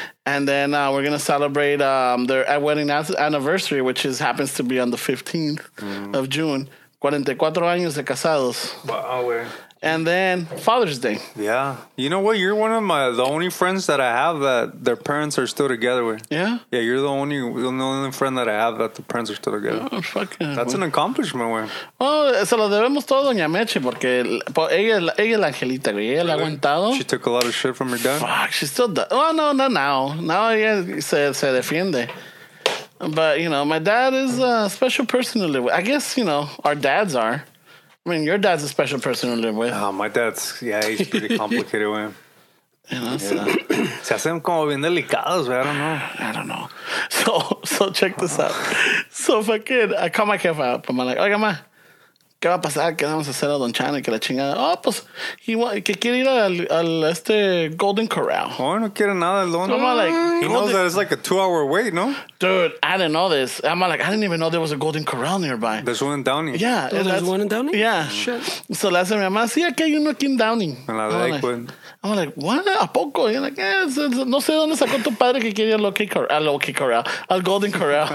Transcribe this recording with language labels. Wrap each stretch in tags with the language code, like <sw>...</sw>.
<en>And then we're going to celebrate their wedding anniversary, which is happens to be on the 15th of June.</en> <es>44 años de casados.</es> <en>Wow, we're... And then Father's Day. Yeah. You know what? You're one of the only friends that I have that their parents are still together with. Yeah? Yeah, you're the only friend that I have that the parents are still together. Oh, fucking. That's an accomplishment, güey.</en> <es>Well, se lo debemos todo a Doña Meche porque ella es la angelita, güey. Ella la ha aguantado.</es> <en>She took a lot of shit from her dad? Fuck, she still does. Well, no, not now. Now</en> <es>ella se defiende.</es> <en>But, you know, my dad is a special person to live with. I guess, you know, our dads are. I mean, your dad's a special person to live with. My dad's, he's pretty complicated, man. You know, so.</en> <es>Se hacen como bien delicados, güey.</es> <en>I don't know. So check this out. So fucking, I call my jefa up.</en> <es>I'm like, oiga, ma, ¿qué va a pasar? ¿Qué vamos a hacer a Don Chano? Que la chingada. Oh, pues, que quiere ir al este Golden Corral. Oh, no quiere nada.</es> <en>He knows that it's like a 2-hour wait, no? Dude, I didn't know this. I'm like, I didn't even know there was a Golden Corral nearby. There's one in Downey. Yeah. Oh, there's one in Downey? Yeah. Shit.</en> <es>So, le hace mi mamá, sí, aquí hay uno aquí en Downey. En la de Lakewood.</es> <en>I'm like, what?</en> <es>¿A poco? Y like, no sé dónde sacó tu padre que quería al Golden Corral.</es>